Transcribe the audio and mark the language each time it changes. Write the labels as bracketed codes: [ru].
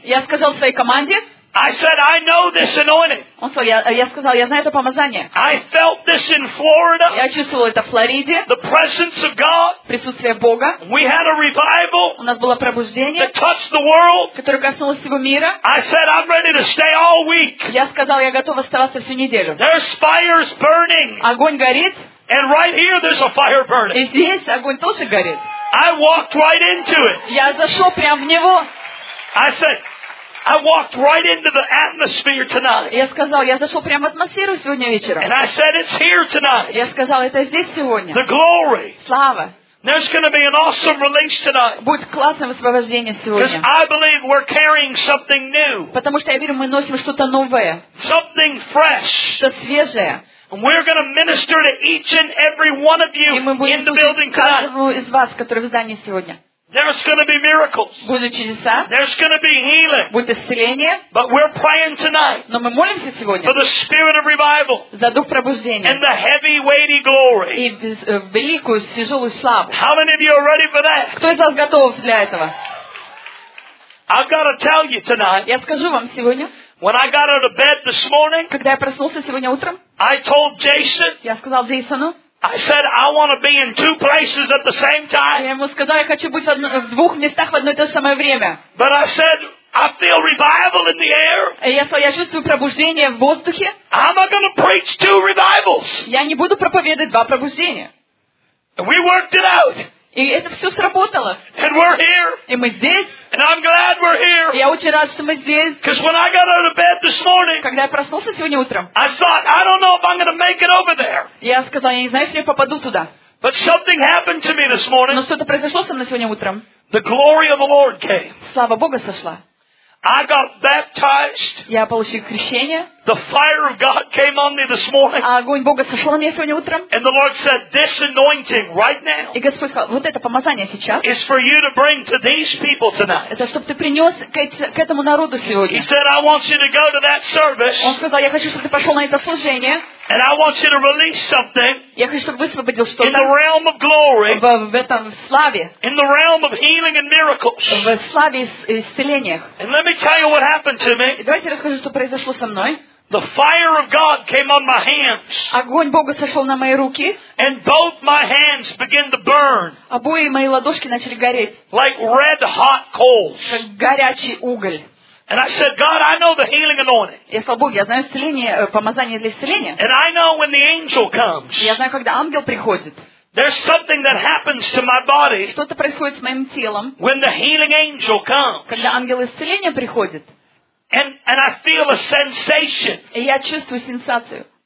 [ru] Я сказал своей команде. [en] I said I know this anointing. [ru] Он сказал, я сказал, я знаю это помазание. [en] I felt this in Florida. [ru] Я чувствовал это в Флориде. [en] The presence of God. [ru] Присутствие Бога. [en] We had a revival. [ru] У нас было пробуждение. [en] That touched the world. [ru] Которое коснулось всего мира. [en] I said I'm ready to stay all week. [ru] Я сказал, я готов оставаться всю неделю. [en] There's fires burning. [ru] Огонь горит. [en] And right here there's a fire burning. [ru] И здесь огонь тоже горит. [en] I walked right into it. [ru] Я зашел прямо в него. [en] I said. I walked right into the atmosphere tonight. [ru] Я сказал, я зашел прямо в атмосферу сегодня вечером. [en] And I said, it's here tonight. [ru] Я сказал, это здесь сегодня. [en] The glory. [ru] Слава. [en] There's going to be an awesome release tonight. [ru] Будет классное высвобождение сегодня. [en] Because I believe we're carrying something new. [ru] Потому что я верю, мы носим что-то новое. [en] Something fresh. [ru] Что свежее. [en] And we're going to minister to each and every one of you in the building tonight. [ru] И мы будем слушать каждого из вас, который в здании сегодня. [en] There's going to be miracles. [ru] Будут чудеса. [en] There's going to be healing. [ru] Будет исцеление. [en] But we're praying tonight. [ru] Но мы молимся сегодня. [en] For the spirit of revival. [ru] За дух пробуждения. [en] And the heavy, weighty glory. [ru] И великую, тяжелую славу. [en] How many of you are ready for that? [ru] Кто из вас готов для этого? [en] I've got to tell you tonight. [ru] Я скажу вам сегодня. [en] When I got out of bed this morning. [ru] Когда я проснулся сегодня утром. [en] I told Jason. [ru] Я сказал Джейсону. [en] I said I want to be in two places at the same time. [ru] Я ему сказал, я хочу быть в двух местах в одно и то же самое время. [en] But I said I feel revival in the air. [ru] Я сказал, я чувствую пробуждение в воздухе. [en] I'm not going to preach two revivals. [ru] Я не буду проповедовать два пробуждения. [en] And we worked it out. [ru] И это все сработало. [en] And we're here. [ru] И мы здесь. [en] And I'm glad we're here. [ru] Я очень рад, что мы здесь. [en] Because when I got out of bed this morning, [ru] когда я проснулся сегодня утром, [en] I thought, I don't know if I'm going to make it over there. [ru] Я сказал, я не знаю, если я попаду туда. [en] But something happened to me this morning. [ru] Но что-то произошло со мной сегодня утром. [en] The glory of the Lord came. [ru] Слава Богу сошла. [en] I got baptized. [ru] Я получил крещение. [en] The fire of God came on me this morning. [ru] А огонь Бога сошел на меня сегодня утром. [en] And the Lord said, "This anointing right now." [ru] И Господь сказал, вот это помазание сейчас. [en] Is for you to bring to these people tonight. [ru] Это чтобы ты принес к этому народу сегодня. [en] He said, "I want you to go to that service." [ru] Он сказал, я хочу, чтобы ты пошел на это служение. [en] And I want you to release something. [ru] Я хочу, чтобы высвободил что-то. [en] In the realm of glory. [ru] В этом славе. [en] In the realm of healing and miracles. [ru] В славе и исцелениях. [en] And let me tell you what happened to me. [ru] Давайте расскажу, что произошло со мной. [en] The fire of God came on my hands. [ru] Огонь Бога сошел на мои руки. [en] And both my hands began to burn. [ru] Обои мои ладошки начали гореть. [en] Like red hot coals. [ru] Как горячий уголь. [en] And I said, God, I know the healing anointing. [ru] Я сказал, Бог, я знаю исцеление, помазание для исцеления. [en] And I know when the angel comes. [ru] Я знаю, когда ангел приходит. [en] There's something that happens to my body. [ru] Что-то происходит с моим телом. [en] When the healing angel comes. [ru] Когда ангел исцеления приходит. [en] And I feel a sensation. [ru] И я чувствую сенсацию.